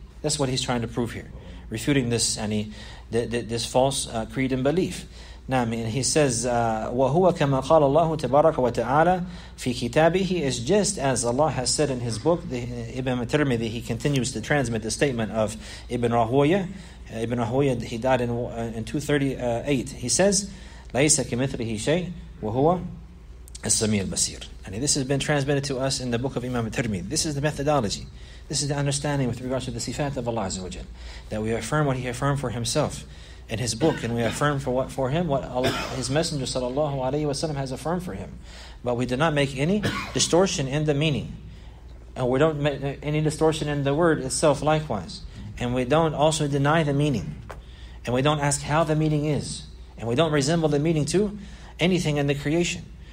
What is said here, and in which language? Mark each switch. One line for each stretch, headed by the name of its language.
English: That's what he's trying to prove here. Refuting this false creed and belief. Now, I mean, he says,
Arabic: وَهُوَ كَمَا قَالَ اللَّهُ تَبَارَكَ وَتَعَالَى فِي كِتَابِهِ
English: is just as Allah has said in his book, the Ibn Tirmidhi, he continues to transmit the statement of Ibn Rahuya. Ibn Rahuya, he died in 238. He says,
Arabic: لَيْسَ كِمِثْرِهِ شَيْءٍ وَهُوَ السَّمِيعُ الْبَصِيرُ.
English: And this has been transmitted to us in the book of Imam Tirmidhi. This is the methodology. This is the understanding with regards to the sifat of Allah Azza wa Jal, that we affirm what He affirmed for Himself in his book, and we affirm his messenger sallallahu alaihi wasallam has affirmed for him, but we do not make any distortion in the meaning, and we don't make any distortion in the word itself likewise, and we don't also deny the meaning, and we don't ask how the meaning is, and we don't resemble the meaning to anything in the creation.